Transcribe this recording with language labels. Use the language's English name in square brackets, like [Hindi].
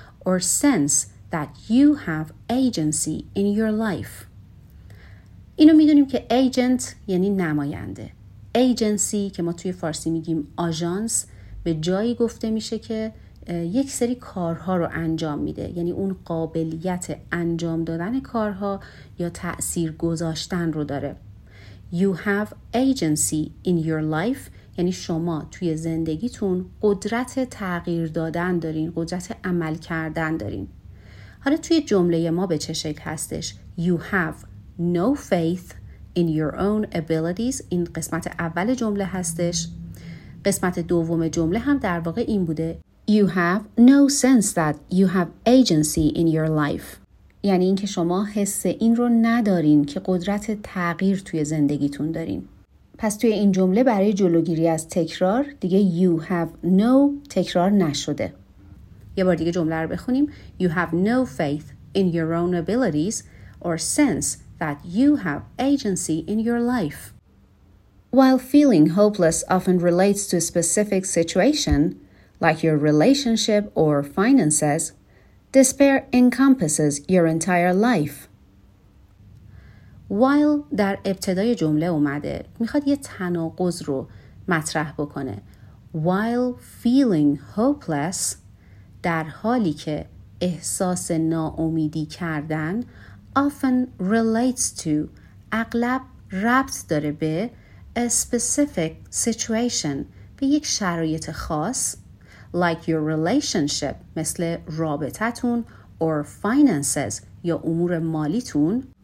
[English] Or sense that you have agency in your life. [Persian] اینو میدونیم که agent یعنی نماینده. Agency که ما توی فارسی میگیم آژانس به جایی گفته میشه که یک سری کارها رو انجام میده، یعنی اون قابلیت انجام دادن کارها یا تأثیر گذاشتن رو داره. [English] You have agency in your life [Persian] یعنی شما توی زندگیتون قدرت تغییر دادن دارین، قدرت عمل کردن دارین. حالا توی جمله ما به چه شکل هستش؟ [English] You have no faith in your own abilities. [Persian] این قسمت اول جمله هستش. قسمت دوم جمله هم در واقع این بوده. [English] You have no sense that you have agency in your life. [Persian] یعنی اینکه شما حس این رو ندارین که قدرت تغییر توی زندگیتون دارین. پس توی این جمله برای جلوگیری از تکرار دیگه [English] you have no [Persian] تکرار نشده. یه بار دیگه جمله رو بخونیم. [English] You have no faith in your own abilities or sense that you have agency in your life. While feeling hopeless often relates to a specific situation, like your relationship or finances, despair encompasses your entire life. [Persian] While در ابتدای جمله اومده، میخواد یه تناقض رو مطرح بکنه. [English] While feeling hopeless، [Persian] در حالی که احساس ناامیدی کردن [English] often relates to [Persian] اغلب ربط داره به [English] a specific situation [Persian] به یک شرایط خاص [English] like your relationship [Persian] مثل رابطتون [English] or finances [Persian] یا امور مالیتون